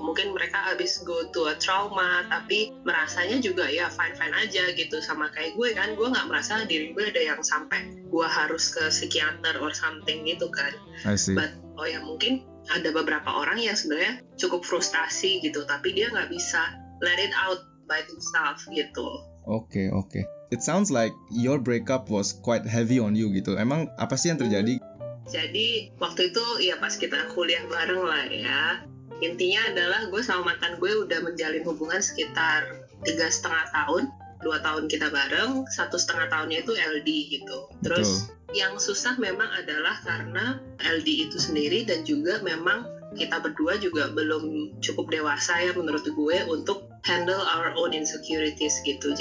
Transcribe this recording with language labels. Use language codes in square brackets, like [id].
[id] Mungkin mereka abis go to a trauma tapi merasanya juga ya fine-fine aja gitu. Sama kayak gue kan, gue gak merasa diri gue ada yang sampai gue harus ke psikiater or something gitu kan. [en] I see. [id] But oh ya mungkin ada beberapa orang yang sebenarnya cukup frustasi gitu, tapi dia gak bisa let it out by himself gitu. [en] Okay, okay. It sounds like your breakup was quite heavy on you gitu. [id] Emang apa sih yang terjadi? Jadi waktu itu ya pas kita kuliah bareng lah ya. Intinya adalah gue sama mantan gue udah menjalin hubungan sekitar 3,5 tahun. 2 tahun kita bareng, 1,5 tahunnya itu LD gitu. Terus yang susah memang adalah karena LD itu sendiri dan juga memang kita berdua juga belum cukup dewasa ya menurut gue untuk handle our own insecurities gitu.